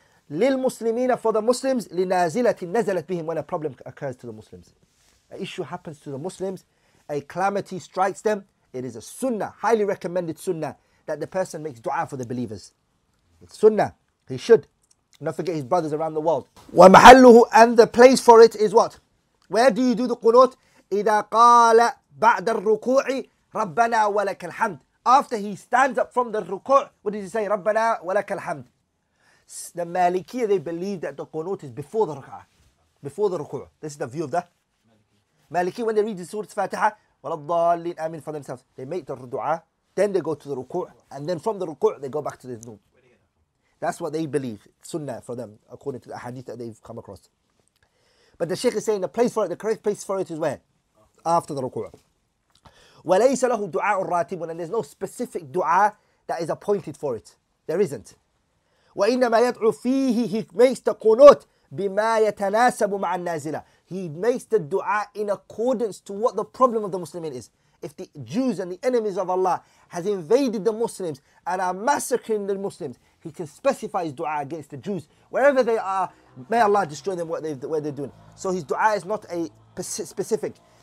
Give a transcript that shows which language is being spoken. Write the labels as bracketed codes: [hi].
[ar] للمسلمين, [en] for the Muslims, [ar] لنازلة نزلت بهم, [en] when a problem occurs to the Muslims. An issue happens to the Muslims, a calamity strikes them, it is a sunnah, highly recommended sunnah, that the person makes dua for the believers. It's sunnah, he should. Not forget his brothers around the world. ومحله, and the place for it is what? Where do you do the qunut? [ar] إذا قال بعد الركوع ربنا ولك الحمد. [en] After he stands up from the ruku', what did he say? [ar] ربنا ولك الحمد. [en] The Malikiya, they believe that the qunut is before the ruku'. Before the ruku'. This is the view of the Malikiya. When they read the Surah Fatiha, [ar] وَلَضَّالِينَ آمِنْ [en] for themselves. They make the dua, then they go to the ruku', and then from the ruku', they go back to the dhunub. That's what they believe. It's sunnah for them, according to the hadith that they've come across. But the Sheikh is saying the place for it, the correct place for it is where? After the ruku'. [ar] وَلَيْسَ لَهُ دُعَاءُ الرَّاتِبُ, [en] and there's no specific dua that is appointed for it. There isn't. [ar] وَإِنَّمَا يَدْعُ فِيهِ, [en] he makes the qunut [ar] بِمَا يَتَنَاسَبُ مَعَ النَّازِلَ. [en] He makes the dua in accordance to what the problem of the Muslimin is. If the Jews and the enemies of Allah has invaded the Muslims and are massacring the Muslims, he can specify his dua against the Jews. Wherever they are, may Allah destroy them where they're doing. So his dua is not a specific.